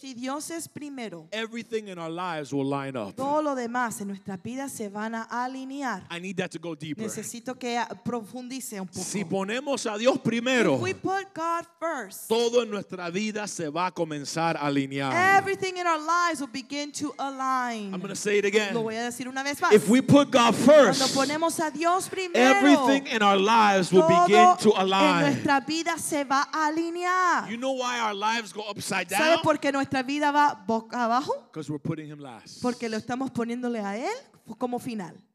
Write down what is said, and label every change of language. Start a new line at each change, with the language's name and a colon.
Spanish: si Dios es primero,
English: everything in our lives will line up.
Spanish: Todo lo demás en nuestra vida se van a alinear.
English: I need that to go deeper.
Spanish: Necesito que profundice un poco. Si ponemos a Dios primero,
English: if we put God first,
Spanish: todo en nuestra vida se va a comenzar a alinear.
English: Everything in our lives will begin to align. I'm going to say it again.
Spanish: Lo voy a decir una vez más.
English: If we put God first,
Spanish: cuando ponemos a Dios primero,
English: everything in our lives will begin to align.
Spanish: En nuestra vida se va a alinear.
English: You know why our lives go upside down?
Spanish: ¿Sabe por qué nuestra vida va boca abajo?
English: Because we're putting him last.
Spanish: Porque lo estamos poniéndole a él como final.